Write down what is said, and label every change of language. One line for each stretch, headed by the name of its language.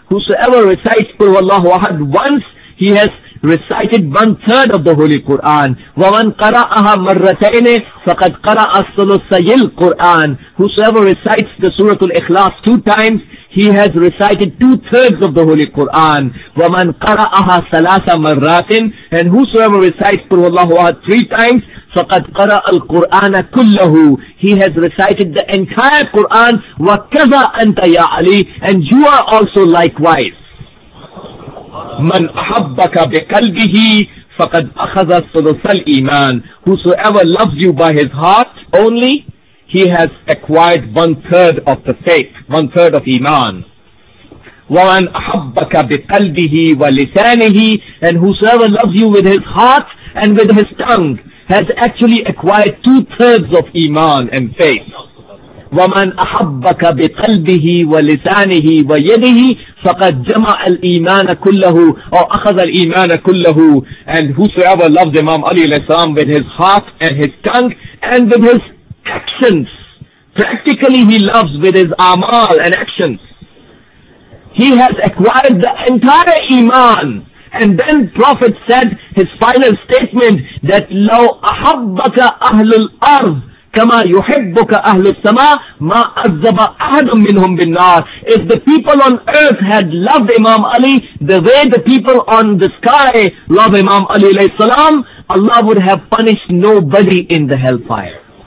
English: Whosoever recites
Arabic: qul huwallahu ahad
English: once, he has recited one third of the Holy Quran.
Arabic: وَمَنْ قَرَأَهَا مَرَّتَيْنِ فَقَدْ قَرَأَ الثُّلُثَيِ الْقُرْآنِ.
English: Whosoever recites the Surah Al-Ikhlas two times, he has recited two thirds of the Holy Quran.
Arabic: وَمَنْ قَرَأَهَا ثَلَاثَ مَرَّاتٍ.
English: And whosoever recites
Arabic: قُرْهُ اللَّهُ وَهَدْ
English: three times,
Arabic: فَقَدْ قَرَأَ الْقُرْآنَ كُلَّهُ.
English: He has recited the entire Quran.
Arabic: وَكَذَا أَنْتَ يَا عَلِي.
English: And you are also likewise.
Arabic: مَنْ أَحَبَّكَ بِقَلْبِهِ فَقَدْ أَخَذَ ثُلُثَ الْإِيمَانِ.
English: Whosoever loves you by his heart only, he has acquired one-third of the faith, one-third of Iman.
Arabic: وَمَنْ أَحَبَّكَ بِقَلْبِهِ وَلِسَانِهِ.
English: And whosoever loves you with his heart and with his tongue has actually acquired two-thirds of Iman and faith.
Arabic: وَمَنْ أَحَبَّكَ بِقَلْبِهِ وَلِسَانِهِ وَيَدِهِ فَقَدْ جَمَعَ الْإِيمَانَ كُلَّهُ أَوْ أَخَذَ الْإِيمَانَ كُلَّهُ.
English: And whosoever loves Imam Ali alayhi salam with his heart and his tongue and with his actions, practically he loves with his amal and actions, he has acquired the entire Iman. And then Prophet said his final statement that
Arabic: لَوْ أَحَبَّكَ أَهْلُ الْأَرْضِ كما يحبك أهل السماء ما عذب أحد منهم بالنار.
English: If the people on earth had loved Imam Ali the way the people on the sky love Imam Ali alayhi salam, Allah would have punished nobody in the hellfire.